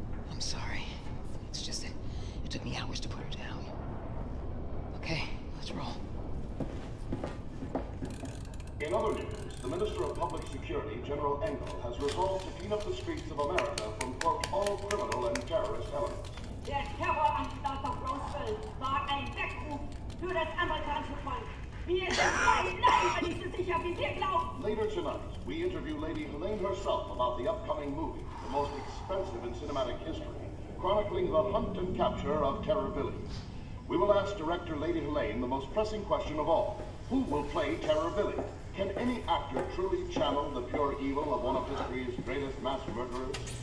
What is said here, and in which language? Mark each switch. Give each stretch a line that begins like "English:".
English: I'm sorry. It's just that. It took me hours to put her down. Okay, let's roll. In other news, the Minister of Public Security, General Engel, has resolved to clean up the streets of America from, quote, all criminal and terrorist elements.
German: Der Terror an die Stadt of Roswell war ein Weckruf für das amerikanische Volk. Wir sind nicht so sicher, wie wir glauben.
English: Later tonight, we interview Lady Helene herself about the upcoming movie, the most expensive in cinematic history, chronicling the hunt and capture of Terror Villains. We will ask director Lady Helene the most pressing question of all. Who will play Terror Billy? Can any actor truly channel the pure evil of one of history's greatest mass murderers?